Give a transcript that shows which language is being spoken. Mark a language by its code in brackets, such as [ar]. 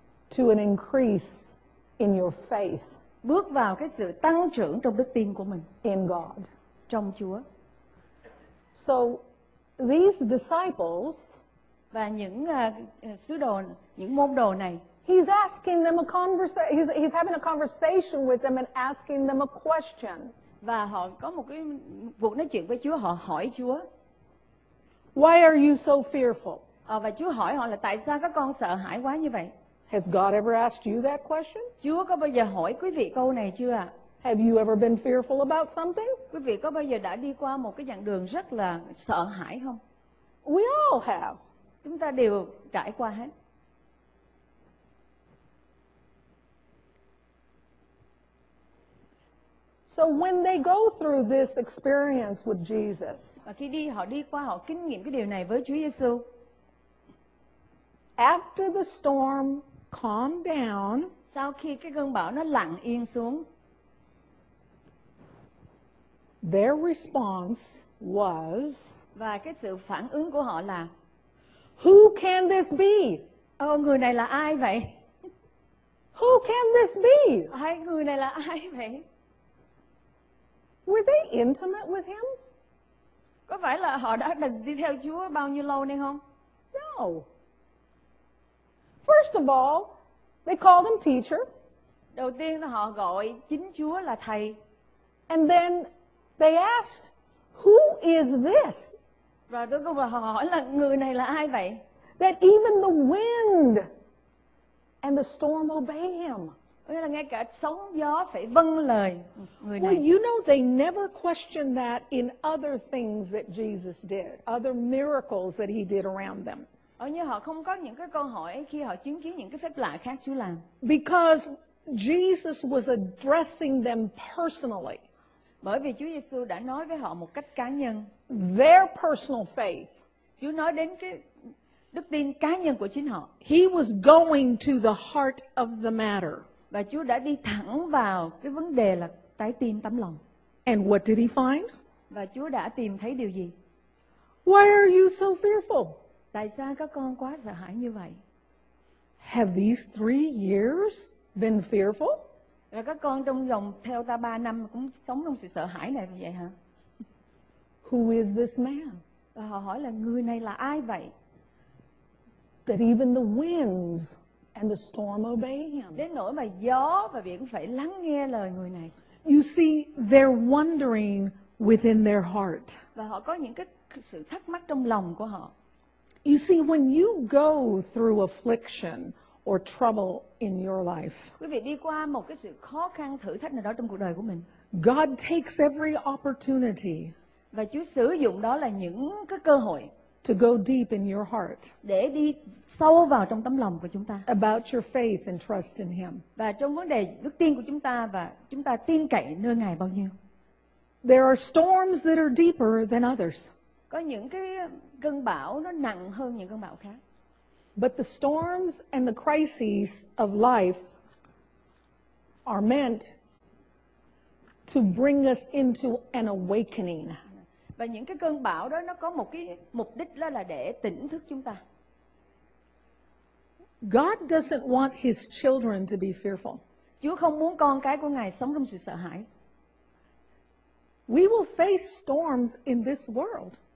[en] To an increase in your faith. [vi] Bước vào cái sự tăng trưởng trong đức tin của mình. [en] In God. [vi] Trong Chúa. [en] So these disciples. [vi] Và những sứ đồ, những môn đồ này. [en] He's asking them a conversation. He's having a conversation with them and asking them a question. [vi] Và họ có một cái cuộc nói chuyện với Chúa. Họ hỏi Chúa. [en] Why are you so fearful? [vi] Và Chúa hỏi họ là tại sao các con sợ hãi quá như vậy? [en] Has God ever asked you that question? [vi] Chúa có bao giờ hỏi quý vị câu này chưa? [en] Have you ever been fearful about something? [vi] Quý vị có bao giờ đã đi qua một cái dạng đường rất là sợ hãi không? [en] We all have. [vi] Chúng ta đều trải qua hết. [en] So when they go through this experience with Jesus. [vi] Và khi đi, họ đi qua, họ kinh nghiệm cái điều này với Chúa Giêsu. [en] After the storm calmed down. [vi] Sau khi cái cơn bão nó lặng yên xuống. [en] Their response was. [vi] Và cái sự phản ứng của họ là. [en] Who can this be? [vi] Người này là ai vậy? [en] Who can this be? [vi] Người này là ai vậy? [en] Were they intimate with him? [vi] Có phải là họ đã đi theo Chúa bao nhiêu lâu nay không? [en] No. First of all, they called him teacher. [vi] Đầu tiên là họ gọi chính Chúa là thầy. [en] And then they asked, "Who is this?" [vi] Và tôi cũng hỏi là người này là ai vậy? [en] That even the wind and the storm obey him. [vi] Nghĩa là ngay cả sóng gió phải vâng lời người này. [en] Well, you know they never questioned that in other things that Jesus did, other miracles that he did around them. [vi] Như họ không có những cái câu hỏi khi họ chứng kiến những cái phép lạ khác Chúa làm. [en] Because Jesus was addressing them personally. [vi] Bởi vì Chúa Giêsu đã nói với họ một cách cá nhân. [en] Their personal faith. [vi] Chúa nói đến cái đức tin cá nhân của chính họ. [en] He was going to the heart of the matter. [vi] Và Chúa đã đi thẳng vào cái vấn đề là trái tim, tấm lòng. [en] And what did he find? [vi] Và Chúa đã tìm thấy điều gì? [en] Why are you so fearful? [vi] Tại sao các con quá sợ hãi như vậy? [en] Have these 3 years been fearful? [vi] Rồi các con trong vòng theo ta 3 năm cũng sống trong sự sợ hãi này vậy hả? [en] Who is this man? [vi] Và họ hỏi là người này là ai vậy? [en] That even the winds and the storm obey him. [vi] Đến nỗi mà gió và biển phải lắng nghe lời người này. [en] You see, they're wondering within their heart. [vi] Và họ có những cái sự thắc mắc trong lòng của họ. [en] You see, when you go through affliction or trouble in your life. [vi] Quý vị đi qua một cái sự khó khăn thử thách nào đó trong cuộc đời của mình. [en] God takes every opportunity. [vi] Và Chúa sử dụng đó là những cái cơ hội. [en] to go deep in your heart. [vi] Để đi sâu vào trong tấm lòng của chúng ta. [en] About your faith and trust in him. [vi] Và trong vấn đề đức tin của chúng ta và chúng ta tin cậy nơi Ngài bao nhiêu. [en] There are storms that are deeper than others. [vi] Có những cái cơn bão nó nặng hơn những cơn bão khác. [en] But the storms and the crises of life are meant to bring us into an awakening. [vi] Và những cái cơn bão đó nó có một cái mục đích đó là để tỉnh thức chúng ta. [en] God doesn't want his children to be fearful. [vi] Chúa không muốn con cái của Ngài sống trong sự sợ hãi. [en] We will face storms in this world.